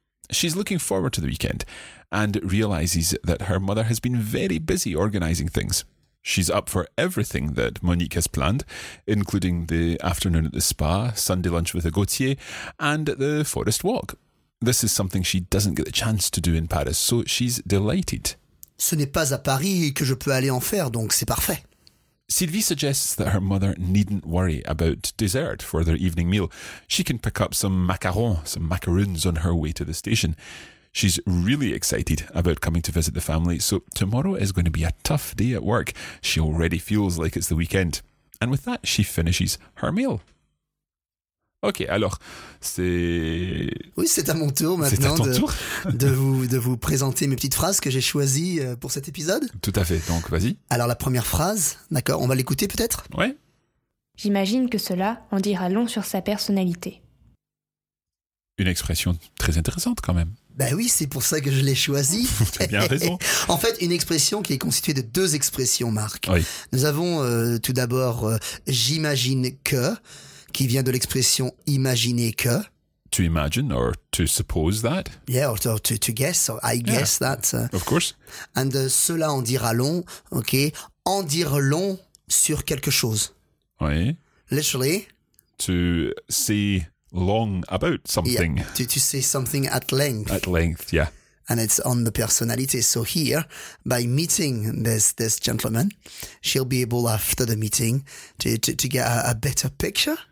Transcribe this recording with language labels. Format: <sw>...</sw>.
<en>She's looking forward to the weekend and realises that her mother has been very busy organising things. She's up for everything that Monique has planned, including the afternoon at the spa, Sunday lunch with a Gautier, and the forest walk. This is something she doesn't get the chance to do in Paris, so she's delighted. Ce n'est pas à Paris que je peux aller en faire, donc c'est parfait. Sylvie suggests that her mother needn't worry about dessert for their evening meal. She can pick up some macaroons on her way to the station. She's really excited about coming to visit the family, so tomorrow is going to be a tough day at work. She already feels like it's the weekend. And with that, she finishes her meal.</en> <fr>Ok, alors, c'est... Oui, c'est à mon tour maintenant de vous présenter mes petites phrases que j'ai choisies pour cet épisode. Tout à fait, donc vas-y. Alors la première phrase, d'accord, on va l'écouter peut-être ? Ouais. J'imagine que cela en dira long sur sa personnalité. Une expression très intéressante quand même. Ben oui, c'est pour ça que je l'ai choisi. T'as bien raison. En fait, une expression qui est constituée de deux expressions, Marc. Oui. Nous avons tout d'abord « j'imagine que », qui vient de l'expression « imaginer que ».«</fr> <en>To imagine » or « to suppose that ». »« Yeah, or to guess, or I guess yeah, that ». »« Of course ». »«</en> <fr>And cela en dira long », ok ?« En dire long sur quelque chose ». Oui.</fr> <en>« Literally ».« To say long about something yeah, ».« To say something at length ».« At length, yeah ». And it's on the personality. So here, by meeting this gentleman, she'll be able after the meeting to get a better picture.</en>